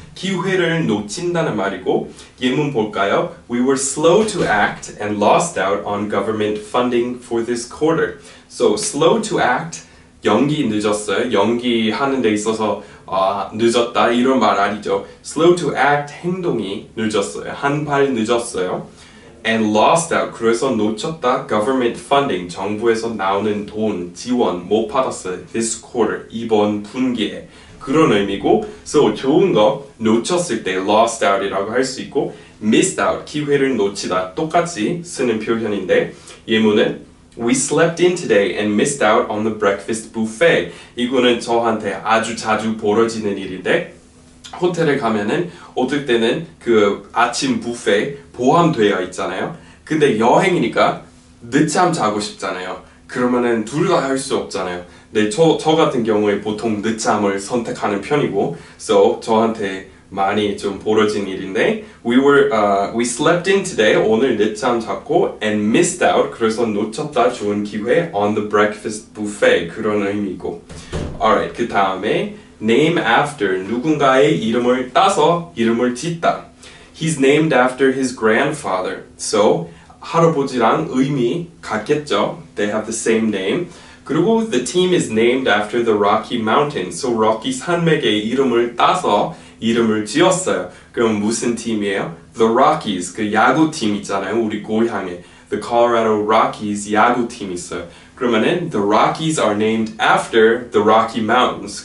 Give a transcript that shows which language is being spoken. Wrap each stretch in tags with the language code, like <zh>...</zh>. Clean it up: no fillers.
<ko>기회를 놓친다는 말이고 예문 볼까요?</ko> <en>We were slow to act and lost out on government funding for this quarter. So slow to act,</en> <ko>연기 늦었어요. 연기하는 데 있어서 늦었다 이런 말 아니죠.</ko> <en>Slow to act</en> <ko>행동이 늦었어요. 한발 늦었어요.</ko> <en>And lost out.</en> <ko>그래서 놓쳤다.</ko> <en>Government funding.</en> <ko>정부에서 나오는 돈, 지원 못 받았어요.</ko> <en>This quarter.</en> <ko>이번 분기에. 그런 의미고. So 좋은 거 놓쳤을 때 lost out이라고 할수 있고.</ko> <en>Missed out.</en> <ko>기회를 놓치다. 똑같이 쓰는 표현인데. 예문은</ko> <en>We slept in today and missed out on the breakfast buffet.</en> <ko>이거는 저한테 아주 자주 벌어지는 일인데, 호텔에 가면은, 어떨 때는 그 아침 뷔페 포함되어 있잖아요. 근데 여행이니까 늦잠 자고 싶잖아요. 그러면은 둘다할수 없잖아요. 네, 저 같은 경우에 보통 늦잠을 선택하는 편이고, so 저한테 많이 좀 벌어진 일인데,</ko> <en>we slept in today.</en> <ko>오늘 늦잠 잤고,</ko> <en>and missed out.</en> <ko>그래서 놓쳤다. 좋은 기회.</ko> <en>On the breakfast buffet.</en> <ko>그런 의미고.</ko> <en>Alright,</en> <ko>그 다음에,</ko> <en>name after.</en> <ko>누군가의 이름을 따서 이름을 짓다.</ko> <en>He's named after his grandfather.</en> <ko>So, 할아버지랑 의미 같겠죠?</ko> <en>They have the same name.</en> <ko>그리고</ko> <en>the team is named after the Rocky Mountain.</en> <ko>So, Rocky 산맥의 이름을 따서 이름을 지었어요. 그럼 무슨 팀이에요? The Rockies. 그 야구팀 있잖아요. 우리 고향에. The Colorado Rockies 야구팀 있어요. 그러면은</ko> <en>the Rockies are named after the Rocky Mountains.</en>